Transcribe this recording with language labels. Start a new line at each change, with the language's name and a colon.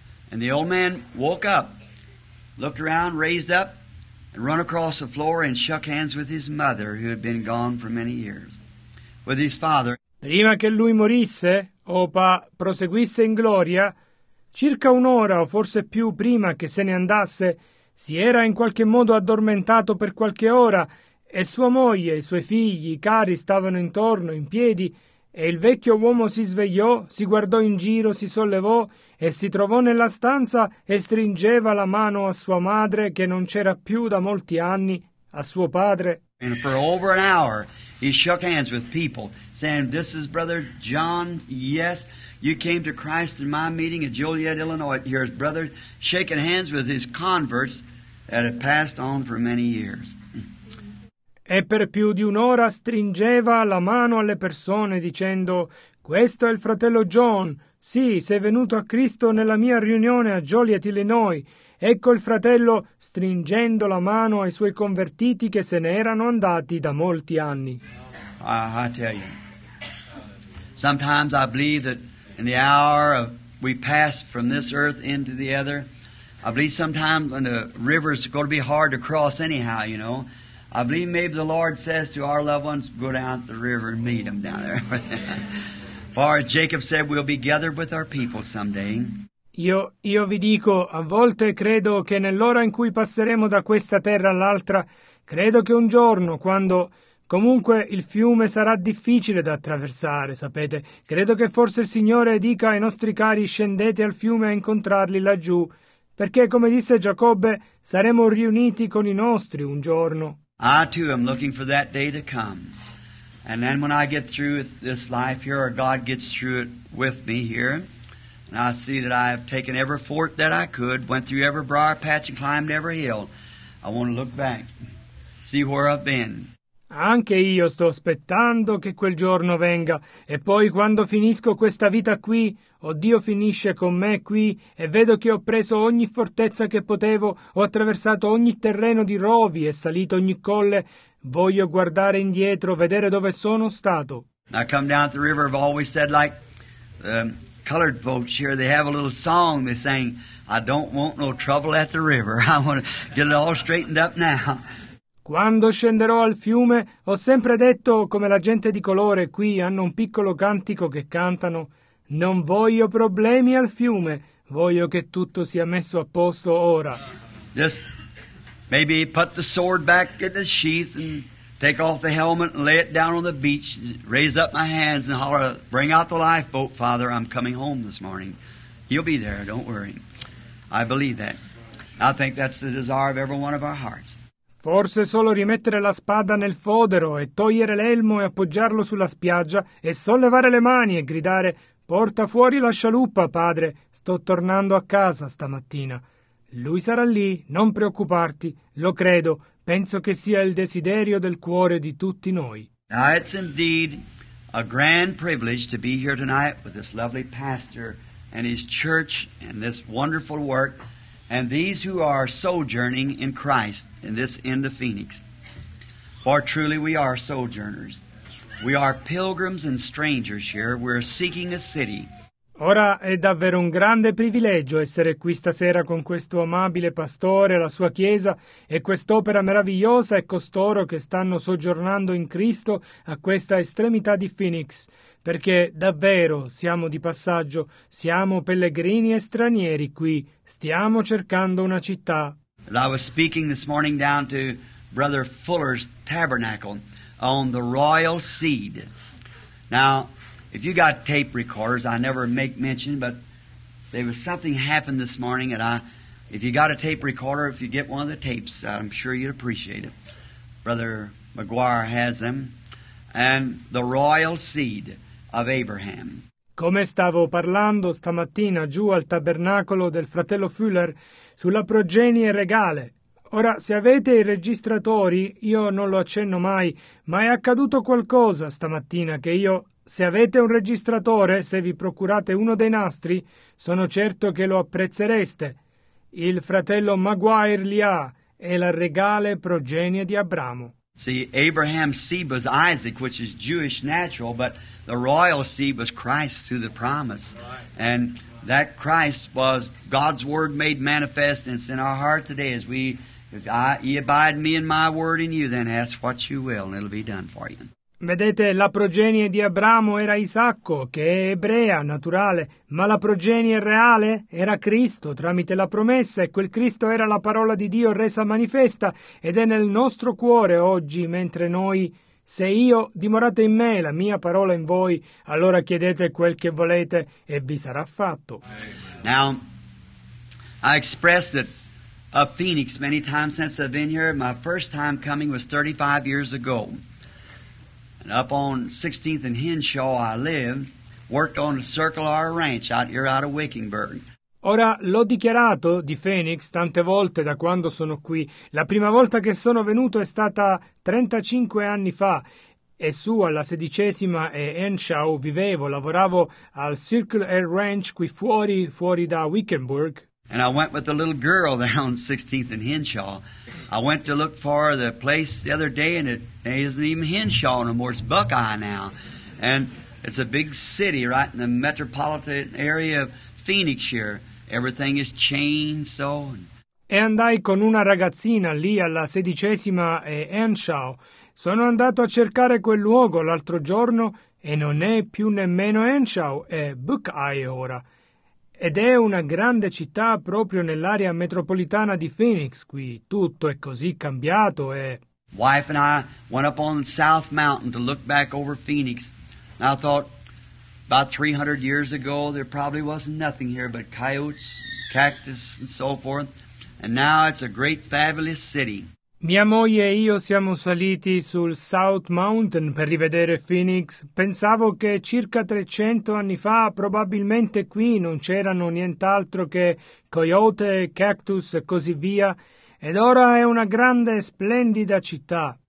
English: And the old man woke up, looked around, raised up, and run across the floor and shook hands with his mother, who had been gone for many years, with his father.
Italian: Prima che lui morisse, Opa proseguisse in gloria, circa un'ora o forse più prima che se ne andasse, si era in qualche modo addormentato per qualche ora, e sua moglie, i suoi figli, i cari stavano intorno, in piedi, e il vecchio uomo si svegliò, si guardò in giro, si sollevò, e si trovò nella stanza e stringeva la mano a sua madre, che non c'era più da molti anni, a suo padre.
English: And for over an hour, he shook hands with people, saying, this is Brother John, yes, you came to Christ in my meeting in Joliet, Illinois. Here's Brother shaking hands with his converts that had passed on for many years.
Italian: E per più di un'ora stringeva la mano alle persone dicendo, questo è il fratello John, sì, sei venuto a Cristo nella mia riunione a Joliet, Illinois. Ecco il fratello stringendo la mano ai suoi convertiti che se ne erano andati da molti anni.
English: I tell you, sometimes I believe that in the hour of we pass from this earth into the other, I believe sometimes when the river's going to be hard to cross anyhow, you know, I believe maybe the Lord says to our loved ones, go down to the river and meet them down there. For as Jacob said, we'll be gathered with our people someday.
Italian: Io vi dico, a volte credo che nell'ora in cui passeremo da questa terra all'altra, credo che un giorno, quando comunque il fiume sarà difficile da attraversare, sapete, credo che forse il Signore dica ai nostri cari scendete al fiume a incontrarli laggiù, perché, come disse Giacobbe, saremo riuniti con i nostri un giorno.
English: I too am looking for that day to come. And then when I get through this life here, or God gets through it with me here, and I see that I have taken every fort that I could, went through every briar patch and climbed every hill, I want to look back, see where I've been.
Italian: Anche io sto aspettando che quel giorno venga, e poi quando finisco questa vita qui, o Dio finisce con me qui, e vedo che ho preso ogni fortezza che potevo, ho attraversato ogni terreno di rovi e salito ogni colle, voglio guardare indietro, vedere dove sono stato.
English: I come down the river, I've always said like colored folks here, they have a little song, they sang, I don't want no trouble at the river, I want to get it all straightened up now.
Italian: Quando scenderò al fiume, ho sempre detto, come la gente di colore qui hanno un piccolo cantico che cantano, non voglio problemi al fiume, voglio che tutto sia messo a posto ora.
English: Just maybe put the sword back in the sheath and take off the helmet and lay it down on the beach, raise up my hands and holler, bring out the lifeboat, Father, I'm coming home this morning. You'll be there, don't worry. I believe that. I think that's the desire of every one of our hearts.
Italian: Forse solo rimettere la spada nel fodero e togliere l'elmo e appoggiarlo sulla spiaggia e sollevare le mani e gridare «Porta fuori la scialuppa, padre! Sto tornando a casa stamattina!» Lui sarà lì, non preoccuparti, lo credo, penso che sia il desiderio del cuore di tutti noi.
English: Now it's indeed a grand privilege to be here tonight with this lovely pastor and his church and this wonderful work. And these who are sojourning in Christ in this end of Phoenix, for truly we are sojourners. We are pilgrims and strangers here. We're seeking a city.
Italian: Ora è davvero un grande privilegio essere qui stasera con questo amabile pastore, la sua chiesa e quest'opera meravigliosa e costoro che stanno soggiornando in Cristo a questa estremità di Phoenix, perché davvero siamo di passaggio, siamo pellegrini e stranieri qui, stiamo cercando una città.
English: I was speaking this morning down to Brother Fuller's tabernacle on the royal seed. Now, if you got tape recorders, I never make mention, but there was something happened this morning, and if you got a tape recorder, if you get one of the tapes, I'm sure you'd appreciate it. Brother McGuire has them. And the royal seed of Abraham.
Italian: Come stavo parlando stamattina giù al tabernacolo del fratello Fuller sulla progenie regale. Ora, se avete i registratori, io non lo accenno mai, ma è accaduto qualcosa stamattina che io... Se avete un registratore, se vi procurate uno dei nastri, sono certo che lo apprezzereste. Il fratello Maguire li ha, è la regale progenie di Abramo.
English: See, Abraham's seed was Isaac, which is Jewish natural, but the royal seed was Christ through the promise. And that Christ was God's word made manifest, and it's in our heart today. As we, if ye abide me in my word in you, then ask what you will, and it'll be done for you.
Italian: Vedete, la progenie di Abramo era Isacco, che è ebrea, naturale, ma la progenie reale era Cristo tramite la promessa, e quel Cristo era la parola di Dio resa manifesta ed è nel nostro cuore oggi, mentre noi, se io dimorate in me e la mia parola in voi, allora chiedete quel che volete e vi sarà fatto.
English: Now, I expressed it of Phoenix many times since I've been here. My first time coming was 35 years ago. And up on 16th and Henshaw I live, worked on the Circle R Ranch out here out of Wickingburg.
Italian: Ora, l'ho dichiarato di Phoenix tante volte da quando sono qui. La prima volta che sono venuto è stata 35 anni fa. E su alla 16ª e Henshaw vivevo, lavoravo al Circle R Ranch qui fuori da Wickenburg.
English: And I went with a little girl there on 16th and Henshaw. I went to look for the place the other day, and it isn't even Henshaw no more. It's Buckeye now. And it's a big city right in the metropolitan area of Phoenix here. Everything is changed, so.
Italian: E andai con una ragazzina lì alla 16ª e Henshaw. Sono andato a cercare quel luogo l'altro giorno, e non è più nemmeno Henshaw, è Buckeye ora. Ed è una grande città proprio nell'area metropolitana di Phoenix qui. Tutto è così cambiato e...
English: Wife and I went up on South Mountain to look back over Phoenix. And I thought, about 300 years ago, there probably was nothing here but coyotes, cactus and so forth. And now it's a great, fabulous city.
Italian: Mia moglie e io siamo saliti sul South Mountain per rivedere Phoenix. Pensavo che circa 300 anni fa probabilmente qui non c'erano nient'altro che coyote, cactus e così via. Ed ora è una grande, splendida città.